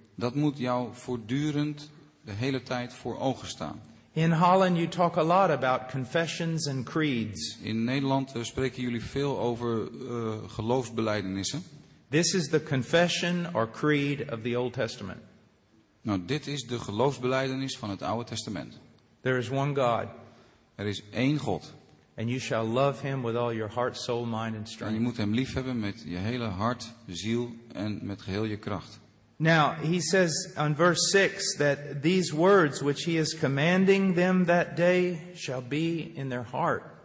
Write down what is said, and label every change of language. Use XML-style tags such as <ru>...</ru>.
<nl>Dat moet jou voortdurend de hele tijd voor ogen staan.</nl> <en>In Holland you talk a lot about confessions and creeds.</en> <nl>In Nederland spreken jullie veel over geloofsbelijdenissen.</nl> <en>This is the confession or creed of the Old Testament.</en> <nl>Nou, dit is de geloofsbelijdenis van het Oude Testament.</nl> <en>There is one God.</en> <nl>Er is één God.</nl> <en>And you shall love him with all your heart, soul, mind and strength.</en> <nl>En je moet hem lief hebben met je hele hart, ziel en met geheel je kracht.</nl> <en>Now, he says on verse 6 that these words which he is commanding them that day shall be in their heart.</en>